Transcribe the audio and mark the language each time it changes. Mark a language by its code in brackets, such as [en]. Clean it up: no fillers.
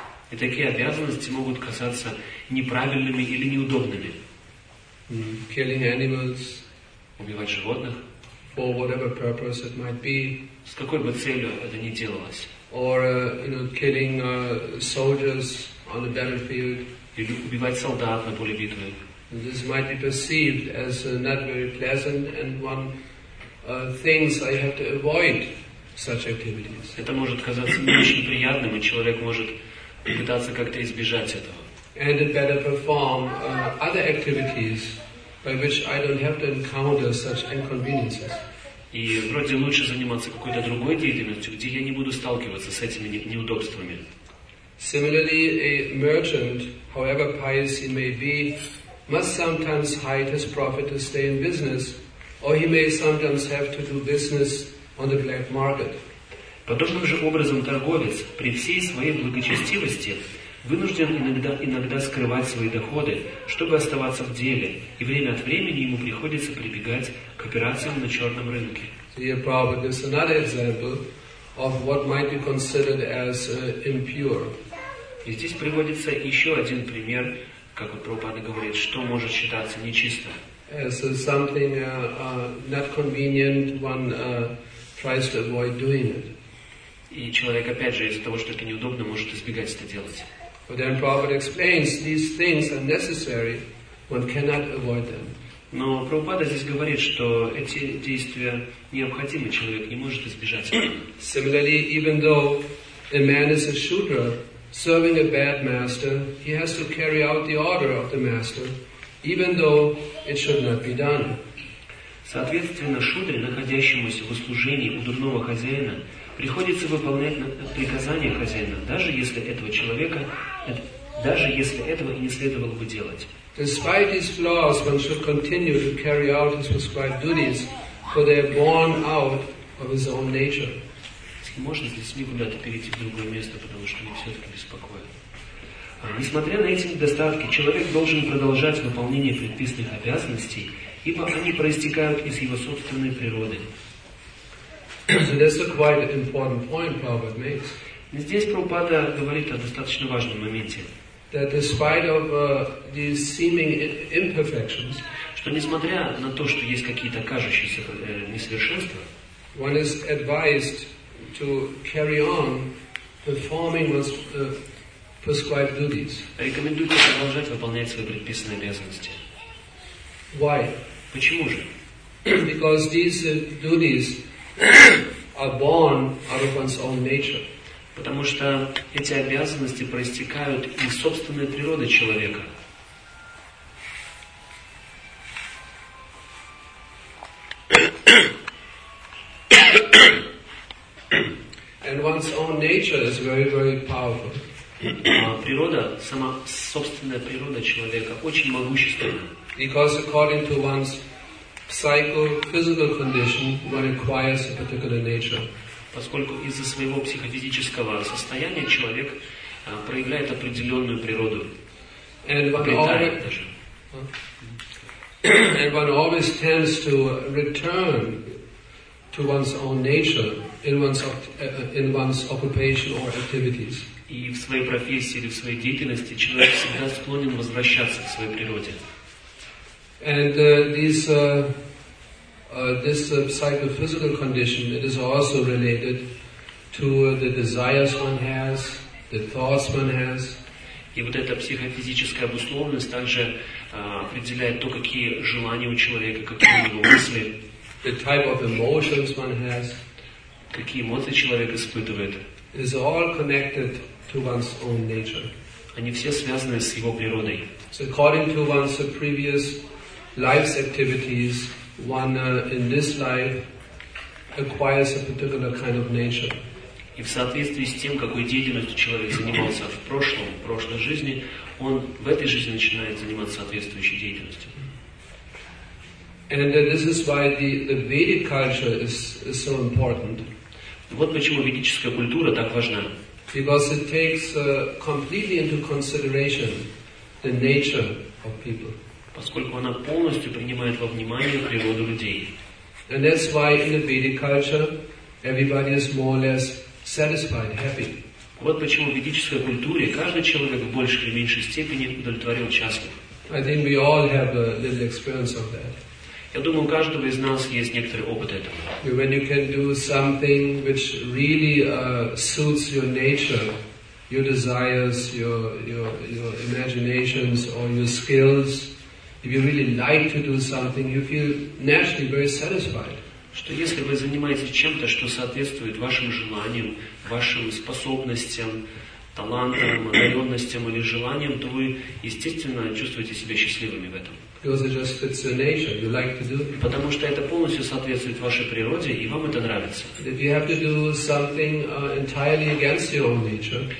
[ru] И такие обязанности могут казаться неправильными или неудобными. [en] Killing animals. [ru] Убивать животных. [en] For whatever purpose it might be. [ru] С какой бы целью это ни делалось. [en] Or killing soldiers on the battlefield. [ru] Или убивать солдат на поле битвы. [en] This might be perceived as not very pleasant, and one thinks I have to avoid such activities. [ru] Это может казаться не очень приятным, и человек может пытаться как-то избежать этого. [en] And it better perform other activities by which I don't have to encounter such inconveniences. [ru] И вроде лучше заниматься какой-то другой деятельностью, где я не буду сталкиваться с этими неудобствами. [en] Similarly, a merchant, however pious he may be, must sometimes hide his profit to stay in business, or he may sometimes have to do business on the black market. [ru] Подобным же образом торговец при всей своей благочестивости вынужден иногда скрывать свои доходы, чтобы оставаться в деле, и время от времени ему приходится прибегать к операциям на черном рынке. [en] Here Prabhupada gives another example of what might be considered as impure. [ru] И здесь приводится еще один пример, как вот Прабхупада говорит, что может считаться нечистым. [en] As something not convenient, one tries to avoid doing it. [ru] И человек, опять же, из-за того, что это неудобно, может избегать это делать. [en] But then Prabhupada explains these things are necessary, one cannot avoid them. [ru] Но Прабхупада здесь говорит, что эти действия необходимы, человек не может избежать этого. [en] Similarly, even though a man is a shudra, serving a bad master, he has to carry out the order of the master, even though it should not be done. [ru] Соответственно, шудре, находящемуся в услужении у дурного хозяина, приходится выполнять приказания хозяина, даже если этого и не следовало бы делать. [en] Despite these flaws, one should continue to carry out his prescribed duties, for they are born out of his own nature. [ru] Можно с детьми куда-то перейти в другое место, потому что они все-таки беспокоят. Несмотря на эти недостатки, человек должен продолжать выполнение предписанных обязанностей, ибо они проистекают из его собственной природы. [en] So that's a quite important point Prabhupada makes. [ru] Здесь Прабхупада говорит о достаточно важном моменте. [en] That despite of these seeming imperfections, [ru] что несмотря на то, что есть какие-то кажущиеся несовершенства, [en] one is advised to carry on performing one's prescribed duties. [ru] Рекомендуется продолжать выполнять свои предписанные обязанности. [en] Why? [ru] Почему же? [en] Because these duties are born out of one's own nature. [ru] Потому что эти обязанности проистекают из собственной природы человека. [en] And one's own nature is very, very powerful. [ru] Природа, сама собственная природа человека очень могущественна. [en] Because according to one's psycho-physical condition, one acquires a particular nature. [ru] Поскольку из-за своего психофизического состояния человек проявляет определенную природу. [en] And one always tends to return to one's own nature in one's occupation or activities. [ru] И в своей профессии или в своей деятельности человек всегда склонен возвращаться к своей природе. [en] And this psychophysical condition, it is also related to the desires one has, the thoughts one has. [ru] И вот эта психофизическая обусловленность также определяет то, какие желания у человека, какие у него мысли, [en] the type of emotions one has, [ru] какие эмоции человек испытывает. [en] Is all connected to one's own nature. [ru] Они все связаны с его природой. [en] So according to one's previous life's activities, one in this life acquires a particular kind of nature. [ru] И в соответствии с тем, какой деятельностью человек занимался в прошлом, в прошлой жизни, он в этой жизни начинает заниматься соответствующей деятельностью. [en] And this is why the Vedic culture is so important. [ru] Вот почему ведическая культура так важна. [en] Because it takes completely into consideration the nature of people. [ru] Поскольку она полностью принимает во внимание природу людей. [en] And that's why in the Vedic culture everybody is more or less satisfied, happy. [ru] Вот почему в ведической культуре каждый человек в большей или меньшей степени удовлетворен, счастлив. [en] I think we all have a little experience of that. [ru] Я думаю, у каждого из нас есть некоторый опыт этого. [en] When you can do something which really suits your nature, your desires, your imaginations or your skills, if you really like to do something, you feel naturally very satisfied. [ru] Что если вы занимаетесь чем-то, что соответствует вашим желаниям, вашим способностям, талантам, одаренностям или желаниям, то вы, естественно, чувствуете себя счастливыми в этом. [en] Because it just fits your nature, you like to do it. [ru] Потому что это полностью соответствует вашей природе, и вам это нравится. [en] If you have to do something entirely against your own nature,